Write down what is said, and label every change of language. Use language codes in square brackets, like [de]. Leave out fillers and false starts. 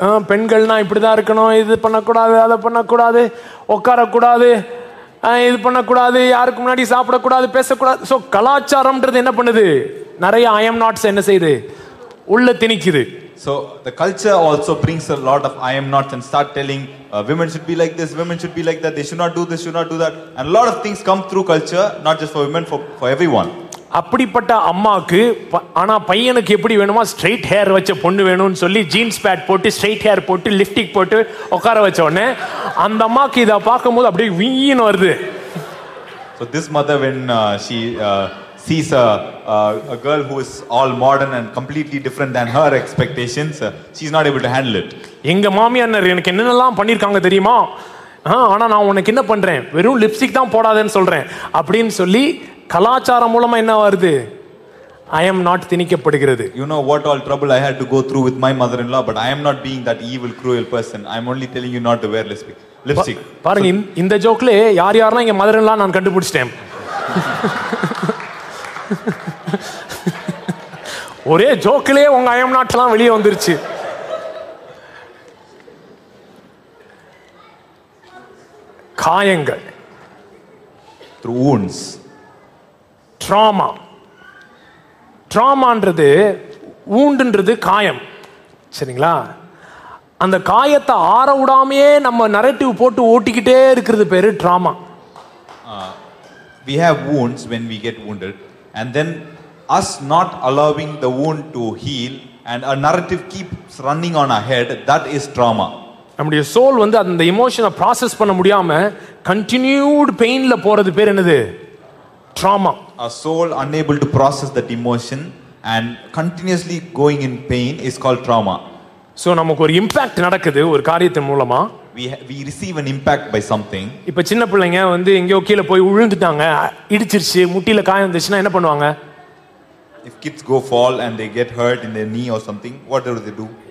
[ta] பெண்கள்னா இப்படிதான் இருக்கணும், இது பண்ணக்கூடாது, அதை பண்ணக்கூடாது, உட்காரக்கூடாது, இது பண்ணக்கூடாது, யாருக்கு முன்னாடி சாப்பிடக்கூடாது, பேசக்கூடாது. ஸோ கலாச்சாரம்ன்றது என்ன பண்ணுது, நிறைய ஐ எம் நாட்ஸ் என்ன செய்யுது, உள்ள திணிக்குது. [en] So the culture also brings a lot of I am nots and start telling women should be like this, women should be like that, they should not do this, should not do that, and a lot of things come through culture, not just for women, for everyone. [ta] அப்படிப்பட்ட அம்மாக்கு ஆனா பையனுக்கு எப்படி வேணுமா straight hair வச்ச பொண்ணு வேணும்னு சொல்லி ஜீன்ஸ் பேட் போட்டு ஸ்ட்ரைட் ஹேர் போட்டு லிப்டிக் போட்டு உட்கார வச்ச உடனே அந்த அம்மாக்கு இத பார்க்கும் போது அப்படியே வீன் வருது. [en] So this mother when she sees a girl who is all modern and completely different than her expectations, she's not able to handle it. [ta] எங்க மாமி அண்ணர் எனக்கு என்னெல்லாம் பண்ணிருக்காங்க தெரியுமா, ஆனா நான் உனக்கு என்ன பண்றேன், வெறும் லிப்ஸ்டிக் தான் போடாதேன்னு சொல்றேன் அப்படின்னு சொல்லி கலாச்சாரம் மூலமா என்ன வருது, I am not திணிக்கப்படுகிறது. [en] You know what all trouble I had to go through with my mother-in-law, but I am not being that evil, cruel person. I am only telling you not to wear lipstick. [ta] பாருங்க இந்த ஜோக்ல யார் யாரெல்லாம் எங்க மதர்-இன்-லா நான் கண்டுபிடிச்சிட்டேன். ஒரே ஜோக்கிலே உங்க ஐயம் நாட்டெல்லாம் வெளியே வந்துருச்சு. காயங்கள், [en] wounds, trauma. [ta] ட்ராமான்றது wound-ன்றது காயம் சரிங்களா. அந்த காயத்தை ஆற விடாமையே நம்ம நரேட்டிவ் போட்டு ஓட்டிக்கிட்டே இருக்கிறது பேரு drama. [en] We have wounds when we get wounded, and then us not allowing the wound to heal and a narrative keeps running on our head, that is trauma. [ta] நம்மளுடைய soul வந்து அந்த emotion-ஐ process பண்ண முடியாம continued pain-ல போறது பேர் என்னது, trauma. [en] A soul unable to process that emotion and continuously going in pain is called trauma. [ta] So நமக்கு ஒரு impact நடக்குது ஒரு காரியத்தின் மூலமா. [en] We receive an impact by something. [ta] இப்ப சின்ன பிள்ளைங்க வந்து எங்கயோ கீழ போய் விழுந்துட்டாங்க, இடிச்சிருச்சு, முட்டில காயம் வந்துச்சுன்னா என்ன பண்ணுவாங்க? [en] If kids go fall and they get hurt in their knee or something, what do they do?